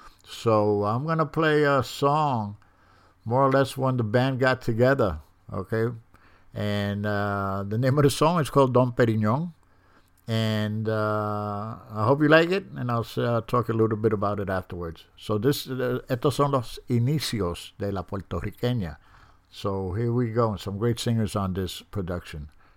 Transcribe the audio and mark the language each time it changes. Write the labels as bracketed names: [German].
[English] So I'm going to play a song more or less when the band got together, okay? And the name of the song is called Don Perignon. And I hope you like it, and I'll talk a little bit about it afterwards. So this, [Spanish] estos son los inicios de la puertorriqueña. [English] So here we go, some great singers on this production.